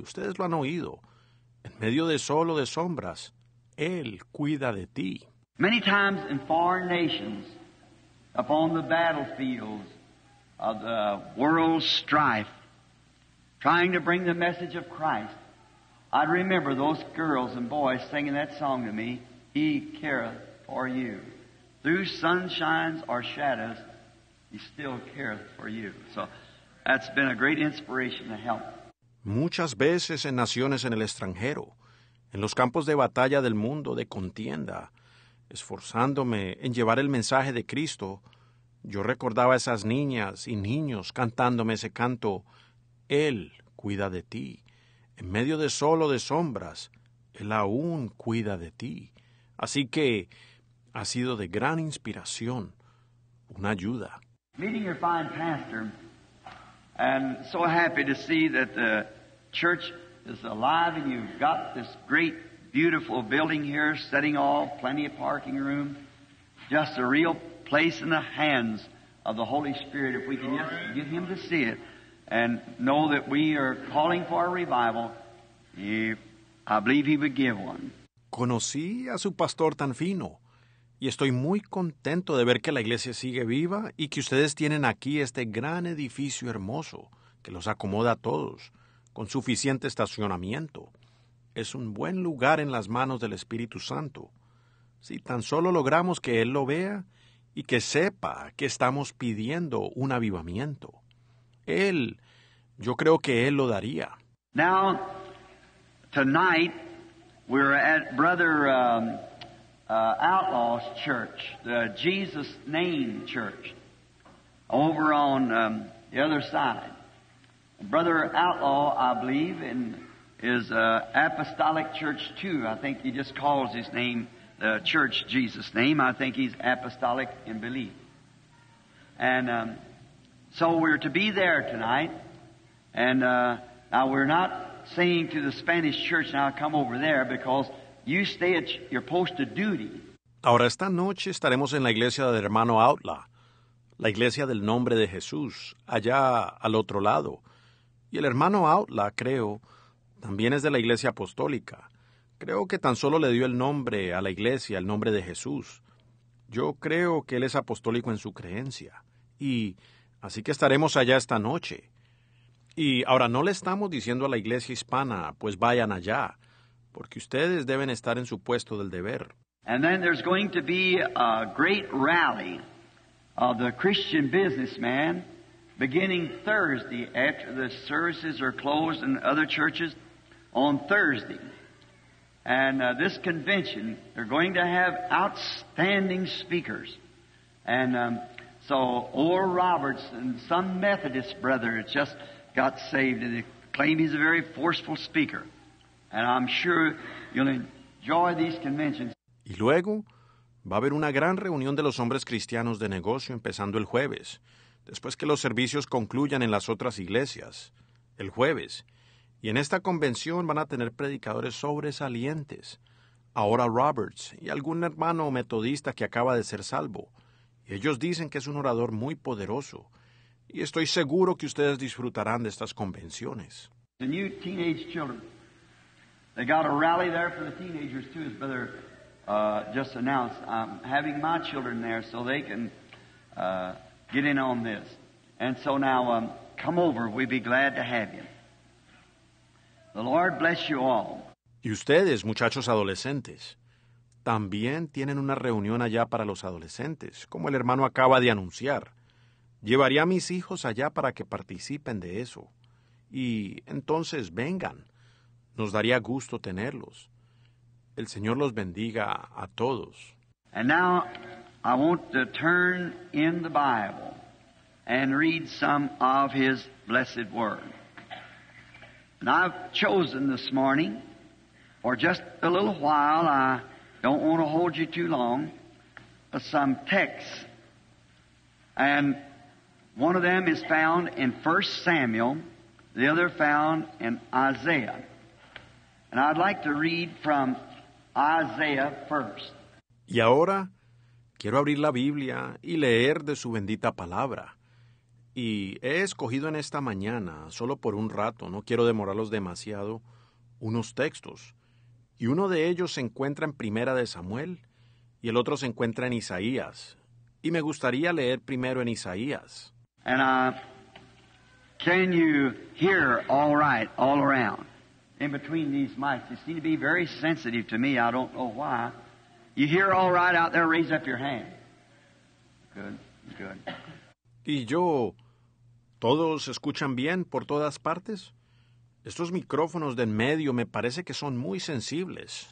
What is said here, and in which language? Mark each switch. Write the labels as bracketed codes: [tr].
[es] Ustedes lo han oído. En medio de solo de sombras, Él cuida de ti. [en] Many times in foreign nations, upon the battlefields of the world's strife, trying to bring the message of Christ, I remember those girls and boys singing that song to me, He careth for you. Through sunshines or shadows, He still careth for you. So that's been a great inspiration to help. [es] Muchas veces en naciones en el extranjero, en los campos de batalla del mundo, de contienda, esforzándome en llevar el mensaje de Cristo, yo recordaba a esas niñas y niños cantándome ese canto, Él cuida de ti. En medio de solo de sombras, Él aún cuida de ti. Así que ha sido de gran inspiración, una ayuda. [en] Meeting your fine pastor, and so happy to see that the church is alive and you've got this great, beautiful building here, setting off, plenty of parking room. Just a real place in the hands of the Holy Spirit, if we can just get Him to see it and know that we are calling for a revival, I believe He would give one. [es] Conocí a su pastor tan fino. Y estoy muy contento de ver que la iglesia sigue viva y que ustedes tienen aquí este gran edificio hermoso que los acomoda a todos, con suficiente estacionamiento. Es un buen lugar en las manos del Espíritu Santo. Si tan solo logramos que Él lo vea y que sepa que estamos pidiendo un avivamiento. Él, yo creo que Él lo daría. [en] Now, tonight, we're at Brother... Outlaw's Church, the Jesus Name Church, over on the other side. Brother Outlaw, I believe, is an apostolic church too. I think he just calls his name the church Jesus Name. I think he's apostolic in belief. And so we're to be there tonight. And now we're not saying to the Spanish church, now come over there, because you stay at your post of duty. [es] Ahora esta noche estaremos en la iglesia del hermano Outlaw, la iglesia del nombre de Jesús, allá al otro lado. Y el hermano Outlaw, creo, también es de la iglesia apostólica. Creo que tan solo le dio el nombre a la iglesia, el nombre de Jesús. Yo creo que él es apostólico en su creencia. Y así que estaremos allá esta noche. Y ahora no le estamos diciendo a la iglesia hispana, pues vayan allá, porque ustedes deben estar en su puesto del deber. [en] And then there's going to be a great rally of the Christian businessman beginning Thursday after the services are closed in other churches on Thursday. And this convention, they're going to have outstanding speakers. And so Oral Roberts and some Methodist brother just got saved and they claim he's a very forceful speaker. And I'm sure you'll enjoy these conventions. [es] Y luego va a haber una gran reunión de los hombres cristianos de negocio empezando el jueves, después que los servicios concluyan en las otras iglesias, el jueves. Y en esta convención van a tener predicadores sobresalientes, ahora Roberts y algún hermano metodista que acaba de ser salvo. Y ellos dicen que es un orador muy poderoso. Y estoy seguro que ustedes disfrutarán de estas convenciones. [en] The new teenage children. They got a rally there for the teenagers too, his brother. Just announced I'm having my children there so they can get in on this. And so now come over, we'd be glad to have you. The Lord bless you all. [es] Y ustedes, muchachos adolescentes, también tienen una reunión allá para los adolescentes, como el hermano acaba de anunciar. Llevaría a mis hijos allá para que participen de eso. Y entonces vengan. Nos daría gusto tenerlos. El Señor los bendiga a todos. [en] And now I want to turn in the Bible and read some of His blessed Word. And I've chosen this morning, for just a little while, I don't want to hold you too long, but some texts. And one of them is found in 1 Samuel, the other found in Isaiah. And I'd like to read from Isaiah first. [es] Y ahora quiero abrir la Biblia y leer de su bendita palabra. Y he escogido en esta mañana, solo por un rato, no quiero demorarlos demasiado, unos textos. Y uno de ellos se encuentra en Primera de Samuel y el otro se encuentra en Isaías. Y me gustaría leer primero en Isaías. [en] And can you hear all right all around? In between these mics, you seem to be very sensitive to me. I don't know why. You hear all right out there? Raise up your hand. Good, good. [es] Y yo, ¿todos escuchan bien por todas partes? Estos micrófonos de en medio me parece que son muy sensibles.